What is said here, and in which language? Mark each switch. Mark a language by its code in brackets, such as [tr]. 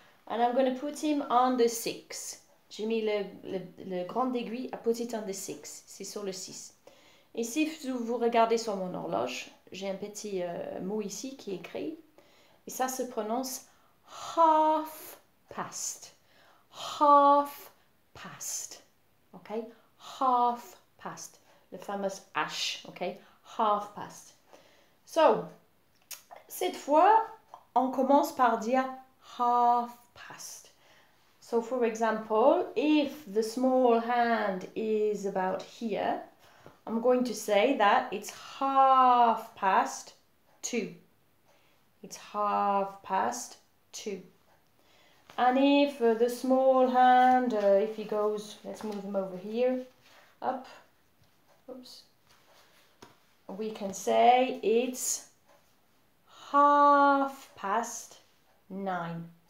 [en] And I'm going to put him on the 6. [fr] J'ai mis le grand aiguille, [en] I put it on the 6. [fr] C'est sur le 6. Et si vous regardez sur mon horloge, j'ai un petit mot ici qui est écrit. Et ça se prononce half past. [en] Half past. OK? Half past. The famous H. OK? Half past. [fr] So, cette fois, on commence par dire half past. [en] So, for example, if the small hand is about here, I'm going to say that it's half past 2. It's half past 2. And if the small hand, if he goes, let's move him over here, up, oops, we can say it's half past 9.